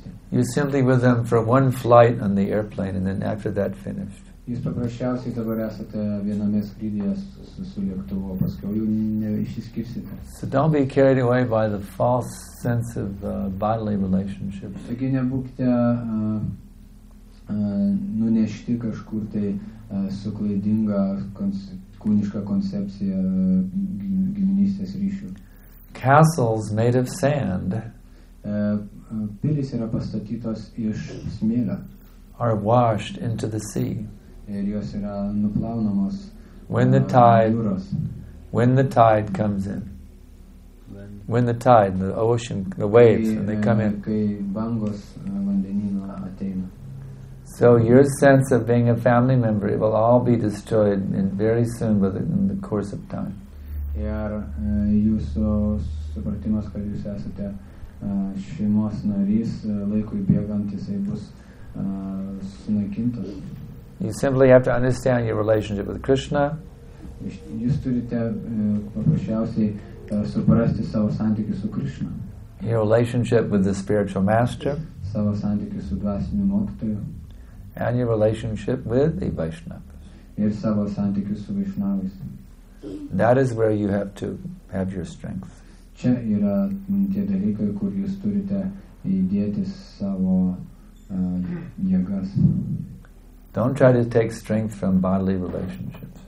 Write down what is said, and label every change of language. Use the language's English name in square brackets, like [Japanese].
[English] You simply with them for one flight on the airplane and then after that finished. [Lithuanian] Jūs paprasčiausiai dabar esate viename skrydyje su lėktuvu, paskui jau neišsiskirsite. [English] So don't be carried away by the false sense of bodily relationships. [Lithuanian] Taigi nebūkite nunešti kažkur tai suklaidinga kūniška koncepcija giminystės ryšių. [English] Castles made of sand. [Lithuanian] Pilis yra pastatytos iš smėlio. [English] Are washed into the sea. [Lithuanian] Ir jos yra nuplaunamos jūros. [English] When the tide comes in. When the tide, the ocean, the waves, when they come in. [Lithuanian] Kai bangos vandenyno ateina. [English] So your sense of being a family member, it will all be destroyed in very soon in the course of time. [Lithuanian] Ir jūsų supratimas, kad jūs esate šeimos narys, laikui bėgant, jisai bus sunaikintas. [English] You simply have to understand your relationship with Krishna. [Lithuanian] Jūs turite paprasčiausiai suprasti savo santykius su Krishna. [English] Your relationship with the spiritual master. [Lithuanian] Savo santykius su dvasiniu mokytoju. [English] And your relationship with the Vaishnavas. [Lithuanian] Ir savo santykius su Vaishnavais. [English] That is where you have to have your strength. [Lithuanian] Čia yra tie dalykai, kur jūs turite įdėti savo jėgas. [English] Don't try to take strength from bodily relationships.